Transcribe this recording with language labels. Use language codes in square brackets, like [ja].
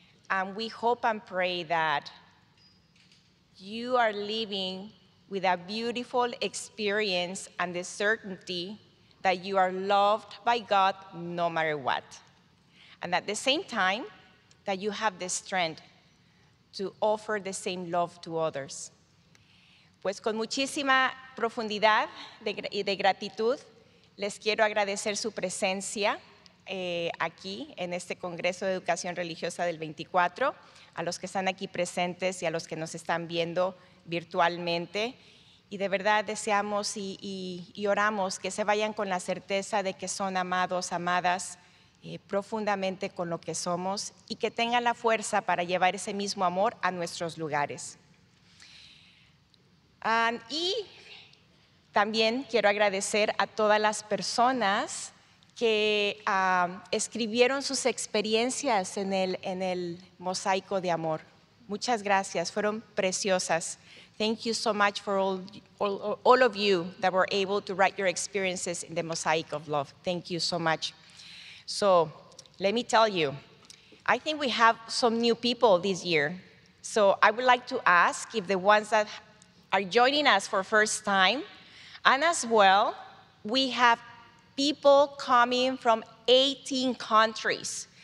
[en] And we hope and pray that you are living with a beautiful experience and the certainty that you are loved by God no matter what. And at the same time, that you have the strength to offer the same love to others. [es] Pues con muchísima profundidad y de gratitud, les quiero agradecer su presencia aquí en este Congreso de Educación Religiosa del 24, a los que están aquí presentes y a los que nos están viendo virtualmente. Y de verdad deseamos y oramos que se vayan con la certeza de que son amados, amadas, profundamente con lo que somos y que tengan la fuerza para llevar ese mismo amor a nuestros lugares. Y también quiero agradecer a todas las personas que escribieron sus experiencias en el mosaico de amor. Muchas gracias, fueron preciosas. [en] Thank you so much for all of you that were able to write your experiences in the mosaic of love. Thank you so much. So, let me tell you, I think we have some new people this year. So, I would like to ask if the ones that are joining us for first time, and as well, we have people coming from 18 countries.